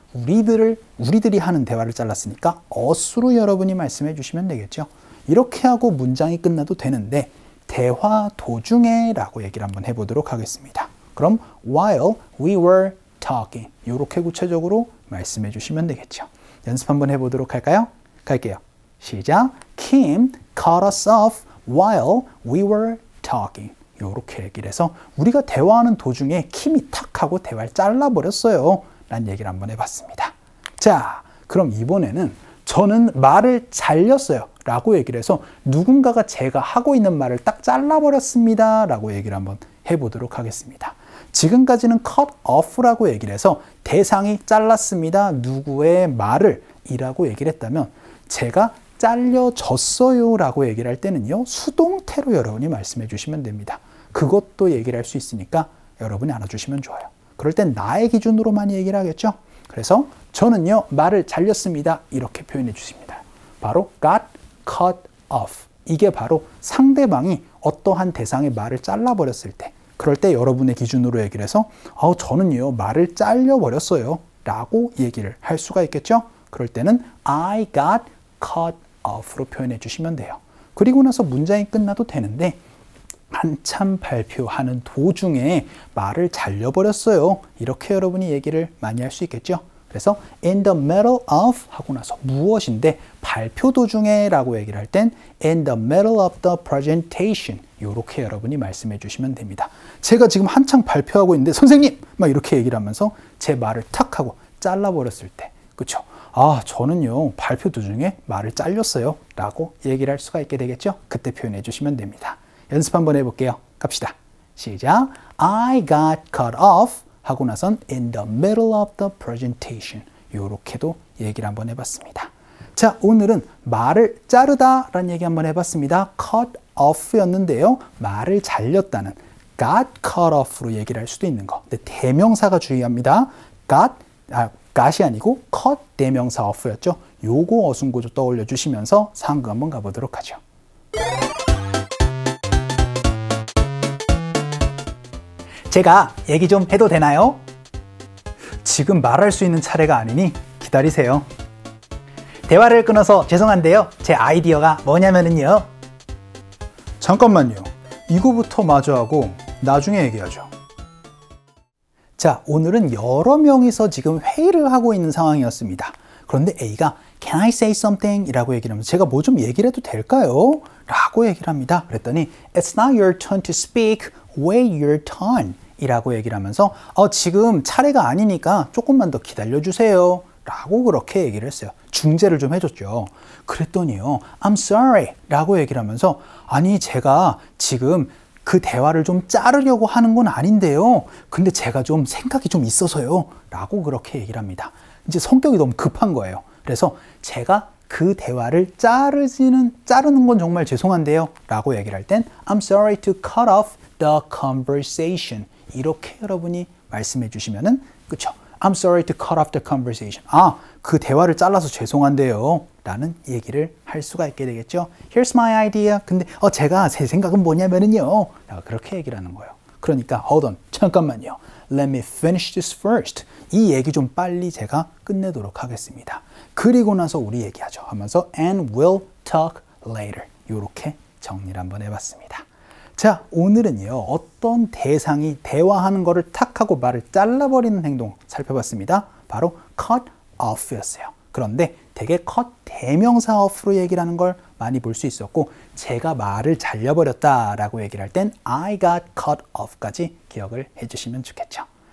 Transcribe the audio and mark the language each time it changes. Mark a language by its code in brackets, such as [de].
[ko] 우리들이 하는 대화를 잘랐으니까 us로 여러분이 말씀해 주시면 되겠죠. 이렇게 하고 문장이 끝나도 되는데 대화 도중에 라고 얘기를 한번 해보도록 하겠습니다. 그럼 [en] while we were talking [ko] 이렇게 구체적으로 말씀해 주시면 되겠죠. 연습 한번 해보도록 할까요? 갈게요. 시작! [en] Kim cut us off while we were talking. [ko] 이렇게 얘기를 해서 우리가 대화하는 도중에 킴이 탁 하고 대화를 잘라버렸어요. 라는 얘기를 한번 해봤습니다. 자, 그럼 이번에는 저는 말을 잘렸어요. 라고 얘기를 해서 누군가가 제가 하고 있는 말을 딱 잘라버렸습니다. 라고 얘기를 한번 해보도록 하겠습니다. 지금까지는 cut off라고 얘기를 해서 대상이 잘랐습니다. 누구의 말을 이라고 얘기를 했다면 제가 잘려졌어요 라고 얘기를 할 때는요 수동태로 여러분이 말씀해 주시면 됩니다. 그것도 얘기를 할 수 있으니까 여러분이 알아주시면 좋아요. 그럴 땐 나의 기준으로만 얘기를 하겠죠. 그래서 저는요 말을 잘렸습니다 이렇게 표현해 주십니다. 바로 [en] got cut off. [ko] 이게 바로 상대방이 어떠한 대상의 말을 잘라버렸을 때 그럴 때 여러분의 기준으로 얘기를 해서 저는요 말을 잘려버렸어요 라고 얘기를 할 수가 있겠죠. 그럴 때는 [en] I got cut off [ko] 로 표현해 주시면 돼요. 그리고 나서 문장이 끝나도 되는데 한참 발표하는 도중에 말을 잘려버렸어요. 이렇게 여러분이 얘기를 많이 할 수 있겠죠. 그래서 [en] in the middle of [ko] 하고 나서 무엇인데 발표 도중에 라고 얘기를 할 땐 [en] in the middle of the presentation [ko] 이렇게 여러분이 말씀해 주시면 됩니다. 제가 지금 한창 발표하고 있는데 선생님! 막 이렇게 얘기를 하면서 제 말을 탁 하고 잘라버렸을 때 그렇죠? 아, 저는요 발표 도중에 말을 잘렸어요 라고 얘기를 할 수가 있게 되겠죠. 그때 표현해 주시면 됩니다. 연습 한번 해볼게요. 갑시다. 시작. [en] I got cut off [ko] 하고 나선 [en] in the middle of the presentation [ko] 이렇게도 얘기를 한번 해봤습니다. 자, 오늘은 말을 자르다 라는 얘기 한번 해봤습니다. cut off 였는데요 말을 잘렸다는 [en] got cut off [ko] 로 얘기를 할 수도 있는 거. 근데 대명사가 주의합니다. got이 아니고 cut 대명사 off 였죠. 요거 어순구조 떠올려 주시면서 상극 한번 가보도록 하죠. 제가 얘기 좀 해도 되나요? 지금 말할 수 있는 차례가 아니니 기다리세요. 대화를 끊어서 죄송한데요. 제 아이디어가 뭐냐면은요. 잠깐만요. 이거부터 마저 하고 나중에 얘기하죠. 자, 오늘은 여러 명이서 지금 회의를 하고 있는 상황이었습니다. 그런데 A가 [en] Can I say something? [ko] 이라고 얘기를 하면서 제가 뭐 좀 얘기를 해도 될까요? 라고 얘기를 합니다. [en] 그랬더니 It's not your turn to speak. Wait your turn. [ko] 이라고 얘기를 하면서 지금 차례가 아니니까 조금만 더 기다려주세요. 라고 그렇게 얘기를 했어요. 중재를 좀 해줬죠. 그랬더니요. [en] I'm sorry. [ko] 라고 얘기를 하면서 아니 제가 지금 그 대화를 좀 자르려고 하는 건 아닌데요. 근데 제가 좀 생각이 좀 있어서요. 라고 그렇게 얘기를 합니다. 이제 성격이 너무 급한 거예요. 그래서 제가 그 대화를 자르는 건 정말 죄송한데요. 라고 얘기를 할 땐 [en] I'm sorry to cut off the conversation. [ko] 이렇게 여러분이 말씀해 주시면은 그쵸. [en] I'm sorry to cut off the conversation. [ko] 아, 그 대화를 잘라서 죄송한데요. 라는 얘기를 할 수가 있게 되겠죠. [en] Here's my idea. [ko] 근데 제가 제 생각은 뭐냐면은요. 그렇게 얘기를 하는 거예요. 그러니까 [en] hold on. [ko] 잠깐만요. [en] Let me finish this first. [ko] 이 얘기 좀 빨리 제가 끝내도록 하겠습니다. 그리고 나서 우리 얘기하죠. 하면서 [en] and we'll talk later. [ko] 이렇게 정리를 한번 해봤습니다. 자, 오늘은요. 어떤 대상이 대화하는 거를 탁 하고 말을 잘라버리는 행동 살펴봤습니다. 바로 cut off였어요. 그런데 되게 cut 대명사 off로 얘기라는 걸 많이 볼 수 있었고 제가 말을 잘려버렸다라고 얘기를 할 땐 [en] I got cut off [ko] 까지 기억을 해주시면 좋겠죠.